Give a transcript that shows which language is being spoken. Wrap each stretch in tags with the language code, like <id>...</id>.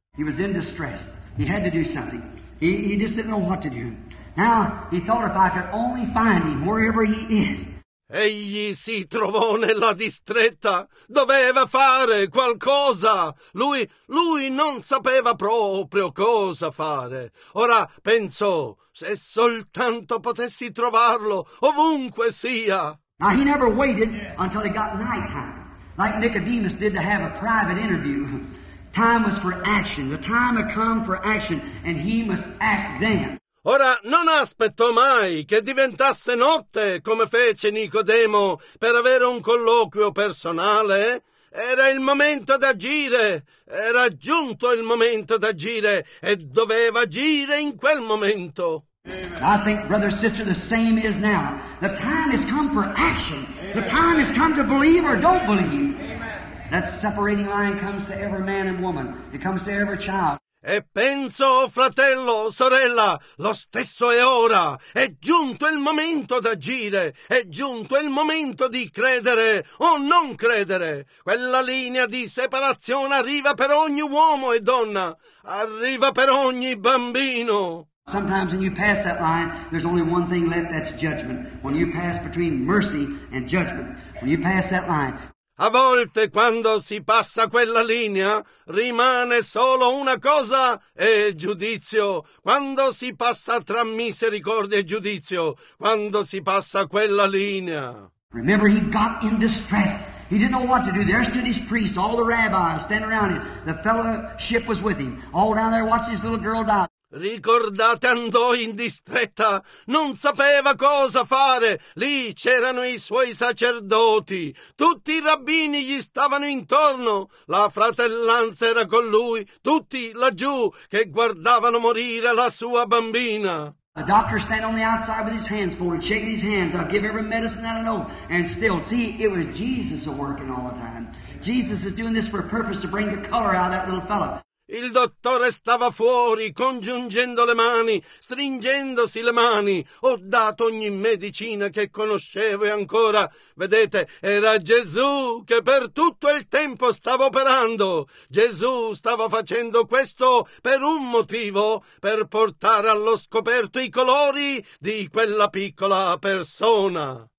<en>He was in distress, he had to do something, he just didn't know what to do. Now, he thought if I could only find him wherever he is.</en> <it>Egli si trovò nella distretta, doveva fare qualcosa. Lui non sapeva proprio cosa fare. Ora pensò, se soltanto potessi trovarlo ovunque sia.</it> <en>Now he never waited until it got night time, like Nicodemus did to have a private interview. Time was for action, the time had come for action, and he must act then.</en> <it>Ora, non aspettò mai che diventasse notte, come fece Nicodemo, per avere un colloquio personale. Era il momento d'agire, era giunto il momento d'agire e doveva agire in quel momento.</it> <en>I think, brother, sister, the same is now. The time has come for action. The time has come to believe or don't believe. That separating line comes to every man and woman. It comes to every child.</en> <it>E penso, fratello, sorella, lo stesso è ora. È giunto il momento d'agire. È giunto il momento di credere o non credere. Quella linea di separazione arriva per ogni uomo e donna. Arriva per ogni bambino.</it> <en>Sometimes when you pass that line, there's only one thing left, that's judgment. When you pass between mercy and judgment, when you pass that line...</en> <it>A volte, quando si passa quella linea, rimane solo una cosa, è giudizio. Quando si passa tra misericordia e giudizio, quando si passa quella linea.</it> <en>Remember, he got in distress. He didn't know what to do. There stood his priests, all the rabbis, standing around him. The fellowship was with him. All down there watched his little girl die.</en> <it>Ricordate, andò in distretta, non sapeva cosa fare. Lì c'erano i suoi sacerdoti, tutti i rabbini gli stavano intorno, la fratellanza era con lui, tutti laggiù che guardavano morire la sua bambina.</it> <en>A doctor stand on the outside with his hands folded, shaking his hands, I'll give every medicine that I know. And still, see, it was Jesus working all the time. Jesus is doing this for a purpose to bring the color out of that little fellow.</en> <it>Il dottore stava fuori, congiungendo le mani, stringendosi le mani. Ho dato ogni medicina che conoscevo e ancora, vedete, era Gesù che per tutto il tempo stava operando. Gesù stava facendo questo per un motivo, per portare allo scoperto i colori di quella piccola persona.</it>